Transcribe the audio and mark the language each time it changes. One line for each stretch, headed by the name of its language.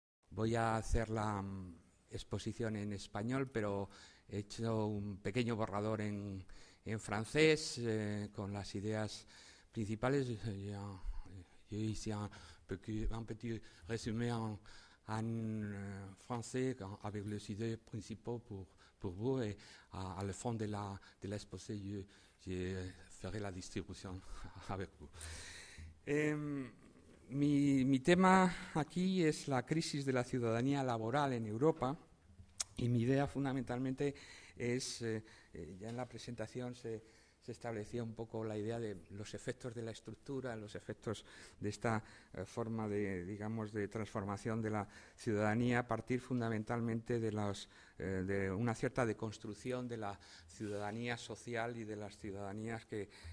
Spanish: Voy a hacer la exposición en español, pero he hecho un pequeño borrador en francés con las ideas principales. Yo hice un
French: petit résumé
Spanish: en francés
French: avec les idées principales pour vous, et à la fin de l'exposé, je ferai la distribution avec vous.
Spanish: Mi tema aquí es la crisis de la ciudadanía laboral en Europa, y mi idea fundamentalmente es, ya en la presentación se establecía un poco la idea de los efectos de la estructura, los efectos de esta forma de, digamos, de transformación de la ciudadanía, a partir fundamentalmente de una cierta deconstrucción de la ciudadanía social y de las ciudadanías que